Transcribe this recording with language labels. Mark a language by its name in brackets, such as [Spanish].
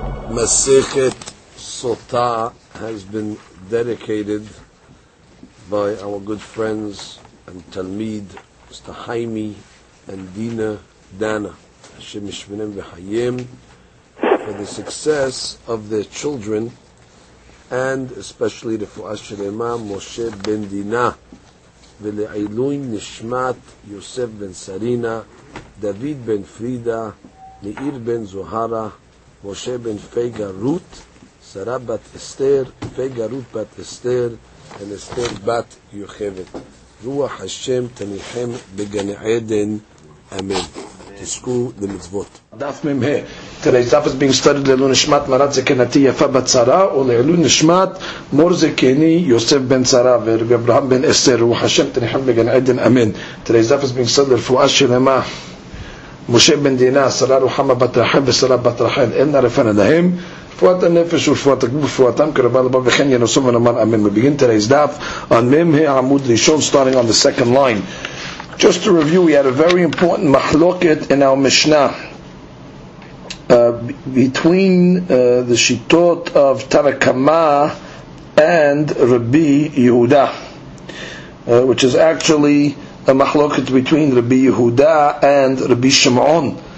[English] Masichet Sotah has been dedicated by our good friends and Talmid, Mr. Haimi and Dina Dana, Hashem Yishmonem V'Chayim, for the success of their children, and especially the Fu'as Shel Imam Moshe Ben Dina, [Hebrew] ולעילוי נשמת יוסף בן סרינה, דוד בן פרידה, מאיר בן זוהרה, משה בן פייגה רות, שרה בת אסתר, פייגה רות בת אסתר, ואסתר בת יוכבת. רוח השם תניחם בגן עדן, אמן. תזכו למצוות. דף ממה, תראה, דף [English] is being studied [Hebrew] לעילוי נשמת מרת זקנתי יפה בצרה, או לעילוי נשמת מור זקני יוסף בן צרה, ורבי אברהם בן אסתר, רוח השם תניחם בגן עדן, אמן. תראה, דף [English] is being studied [Hebrew] לרפואה שלמה, משה בן דינה, שרה רוחמה בת רחל ושרה בת רחל, אין הרפן עליהם, רפואת הנפש ורפואת הגוף ורפואתם קרבה לבא וכן ינסו ונאמר אמן. מבגין תראה, דף, on ממה עמוד ראשון, [English] starting on the second line. Just to review, we had a very important machloket in our Mishnah between the Shitot of Tarakama and Rabbi Yehuda, which is actually a machloket between Rabbi Yehuda and Rabbi Shimon.